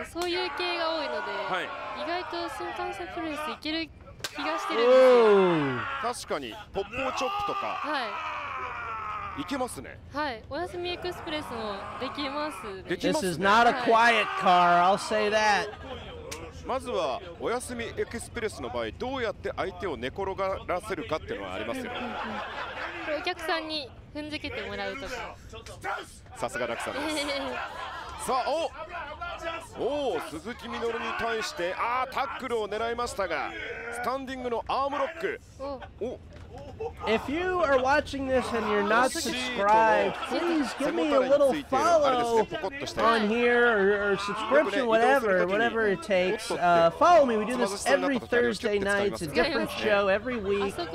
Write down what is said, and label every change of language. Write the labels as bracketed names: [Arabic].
[Japanese] そういう系が多いので、意外と新幹線プロレス行ける。気がしてるんですよ。確かにポップチョップとか、はい、いけますね。はい、おやすみエクスプレスもできます、ね、できますね。 [English] This is not a quiet car, I'll say that。 [Japanese] まずはおやすみエクスプレスの場合どうやって相手を寝転がらせるかっていうのはありますよね。お客さんに踏んづけてもらうとか。さすがラクさんです。さあ、おお鈴木みのるに対して、あ、タックルを狙いましたが、スタンディングのアームロック。 [English] If you are watching this and you're not subscribed, please give me a little follow on here or subscription, whatever it takes. Follow me. We do this every Thursday night. It's a different show every week.